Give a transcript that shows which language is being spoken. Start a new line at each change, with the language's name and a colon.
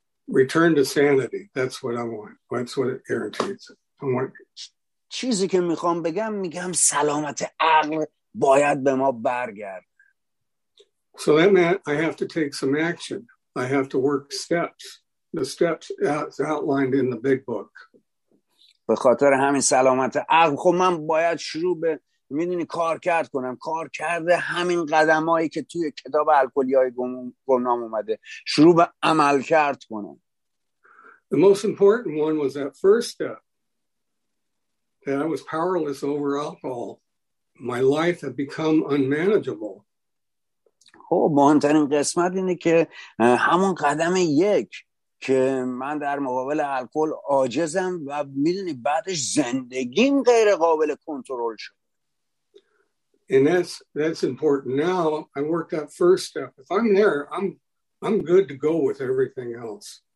English: Return to sanity, that's what I want, that's what it guarantees.
Persian: چیزی که میخوام بگم، میگم سلامت عقل باید به ما برگرد.
English: So that meant I have to take some action. I have to work steps. The steps as outlined in the big book.
Persian: به خاطر همین سلامت عقل، خب من باید شروع به میدونی کار کرد کنم. کار کرده همین قدمایی که توی کتاب الکلی‌های گمنام اومده، شروع به عمل کرد کنم.
English: The most important one was that first step. That I was powerless over alcohol. My life had become unmanageable.
Persian: خب مهمترین قسمت اینه که همون قدم یک که من در مقابل الکل عاجزم و میدونی بعدش زندگیم غیر قابل کنترل شد.
English: And that's important. Now I worked that first step. If I'm there, I'm good to go with everything else.